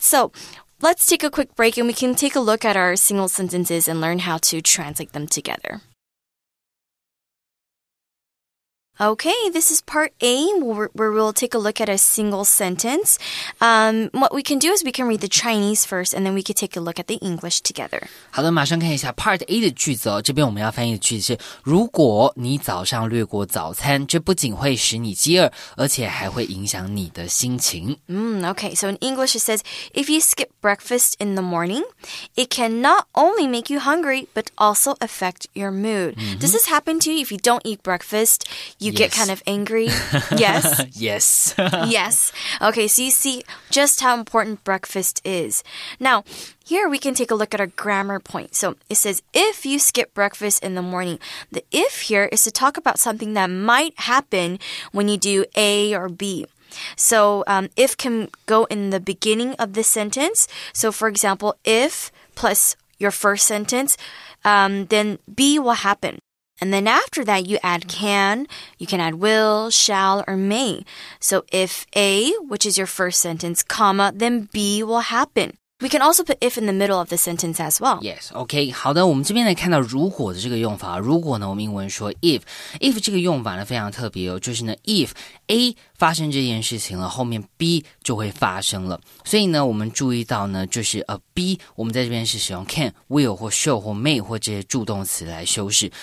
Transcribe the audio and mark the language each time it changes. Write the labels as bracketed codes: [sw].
[en] So, let's take a quick break and we can take a look at our single sentences and learn how to translate them together. Okay, this is part A where we'll take a look at a single sentence. What we can do is we can read the Chinese first and then we can take a look at the English together. [zh] 好的，马上看一下 part A 的句子哦。这边我们要翻译的句子是，如果你早上略过早餐，这不仅会使你饥饿，而且还会影响你的心情。 [en] Okay, so in English it says, if you skip breakfast in the morning, it can not only make you hungry, but also affect your mood. Does this happen to you if you don't eat breakfast? You get kind of angry? Yes. Yes. Yes. Okay, so you see just how important breakfast is. Now, here we can take a look at our grammar point. So it says, if you skip breakfast in the morning. The if here is to talk about something that might happen when you do A or B. So if can go in the beginning of the sentence. So for example, if plus your first sentence, then B will happen. And then after that, you add can, you can add will, shall, or may. So if A, which is your first sentence, comma, then B will happen. We can also put if in the middle of the sentence as well. Yes, okay. [zh] 好的，我们这边来看到如果的这个用法。如果呢，我们英文说 if。 If 这个用法呢非常特别哦，就是呢 if A 发生这件事情了，后面 B 就会发生了。所以呢，我们注意到呢，就是B 我们在这边是使用 can, will, 或 shall, 或 may, 或这些助动词来修饰。